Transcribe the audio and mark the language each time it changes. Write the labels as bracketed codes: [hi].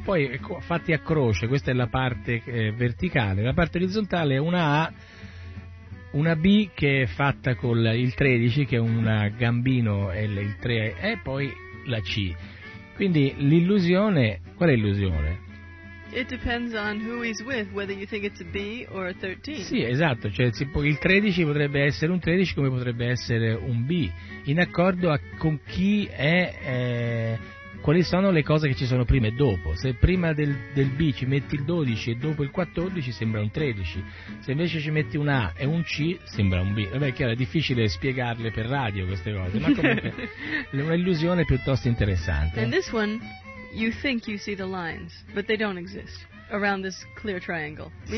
[it] Poi fatti a croce, questa è la parte verticale. La parte orizzontale è una A, una B che è fatta con il 13, che è un gambino, il 3, e poi la C. Quindi l'illusione, qual è l'illusione? [en] It depends on who he's with, whether you think it's a B or a 13. [it] Sì, esatto, cioè il 13 potrebbe essere un 13 come potrebbe essere un B, in accordo a con chi è, quali sono le cose che ci sono prima e dopo. Se prima del B ci metti il 12 e dopo il 14 sembra un 13, se invece ci metti un A e un C sembra un B. Vabbè, chiaro, è difficile spiegarle per radio queste cose, ma comunque è un'illusione piuttosto interessante. [en] And this one, you think you see the lines, but they don't exist around this clear triangle.